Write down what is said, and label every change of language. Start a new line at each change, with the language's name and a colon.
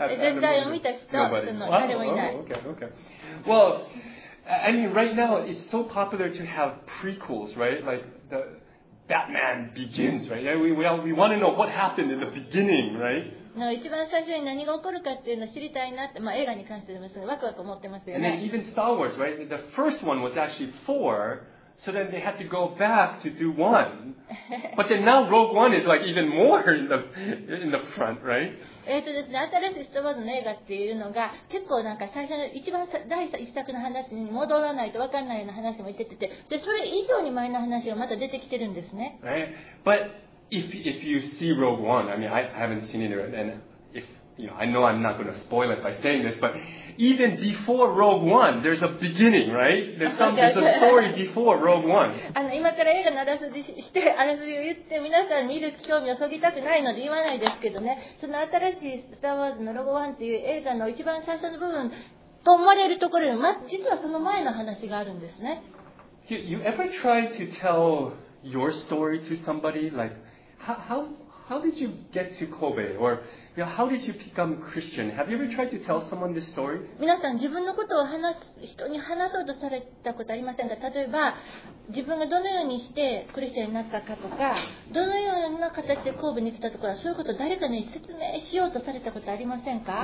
Japanese: 全体を見た人、誰もいない。
English: Okay. Well. I mean, right now it's so popular to have prequels, right? Like the Batman Begins, right? Yeah, we want to know what happened in the beginning, right?
Japanese: No, 一番最初に何が起こるかっていうのを知りたいなって、まあ映画に関してもワクワク思ってますよね。
English: And then even Star Wars, right? The first one was actually four, So then they had to go back to do one. But then now Rogue One is like even more in the front, right?
Japanese: ですね、新しいスターウォーズの映画っていうのが結構なんか最初の一番第一作の話に戻らないと分からないような話も言ってて、でそれ以上に前の話がまた出てきてるんですね。
English: Right? But if you see Rogue One, I mean I haven't seen it yet, and if you know, I know I'm not going to spoil it by saying this, but even before Rogue One, there's a beginning, right? There's a story before Rogue One.
Japanese: 今から映画のあらすじしてあらすじを言って皆さん見る興味をそぎたくないので言わないですけどね、その新しいスターウォーズのロゴワンっていう映画の一番最初の部分と思われるところに、実はその前の話があるんですね。
English: You ever try to tell your story to somebody? Like, how did you get to Kobe? Or... How did you become Christian? Have you ever tried to tell someone this story?
Japanese: 皆さん自分のことを話す人に話そうとされたことありませんか？例えば自分がどのようにしてクリスチャンになったかとか、どのような形で神戸に来たとか、そういうことを誰かに説明しようとされたことありませんか？